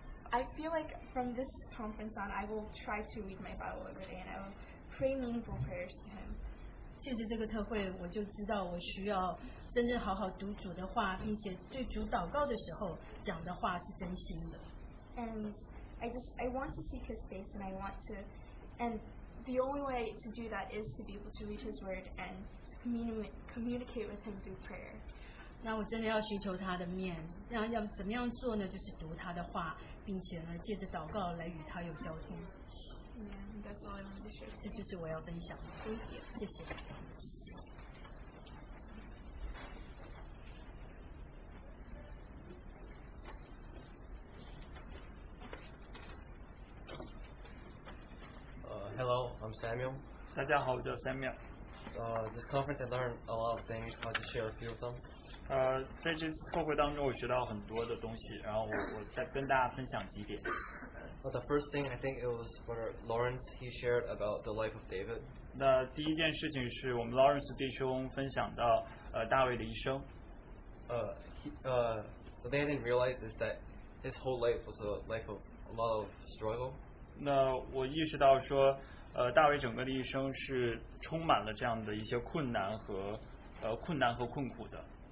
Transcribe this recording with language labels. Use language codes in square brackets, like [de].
[en] I feel like from this conference on, I will try to read my Bible every day, and I will pray meaningful prayers to Him. [zh] 借着这个特会，我就知道我需要真正好好读主的话，并且对主祷告的时候讲的话是真心的。 [en] And I want to seek His face, and I want to, and the only way to do that is to be able to read His word and communicate with Him through prayer. [zh] 那我真的要寻求他的面，那要怎么样做呢？就是读他的话，并且呢，借着祷告来与他有交通。 [en] Yeah, that's all I want to share. [zh] 这就是我要分享的。 [en] Thank you. [zh] 谢谢。 [en] Hello, I'm Samuel. [zh] 大家好，我叫 Samuel. [en] This conference, I learned a lot of things. I'll just share a few of them. [zh] 在这次特会当中，我学到很多的东西，然后我再跟大家分享几点。 [en] Well, the first thing I think it was for Lawrence, he shared about the life of David. [zh] 那第一件事情是我们 Lawrence 弟兄分享到大卫的一生。 [en] What they didn't realize is that his whole life was a life of a lot of struggle. [zh] 那我意识到说，大卫整个的一生是充满了这样的一些困难和困苦的。